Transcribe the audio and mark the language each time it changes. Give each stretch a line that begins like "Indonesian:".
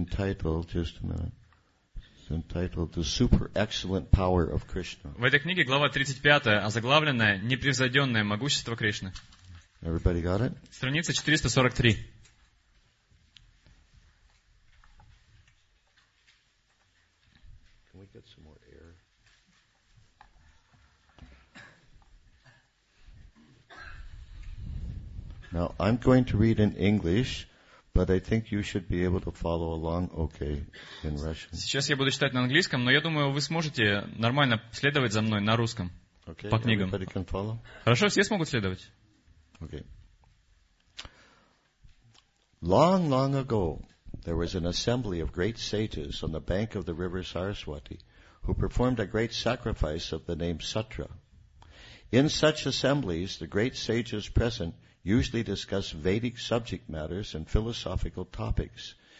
English: It's entitled The Super Excellent Power of Krishna.
Russian: В этой книге глава 35, озаглавленная «Непревзойденное могущество Кришны».
English: Everybody got it?
Russian: Страница 443.
English: Can we get some more air? Now, I'm going to read in English, but I think you should be able to follow along okay in Russian.
Russian: Сейчас я буду читать на английском, но я думаю, вы сможете нормально следовать за мной на русском по книгам.
English: Everybody can follow?
Russian: Хорошо, все смогут следовать?
English: Okay. Long, long ago, there was an assembly of great sages on the bank of the river Saraswati who performed a great sacrifice of the name Sutra. In such assemblies, the great sages present usually discuss Vedic subject matters and philosophical topics.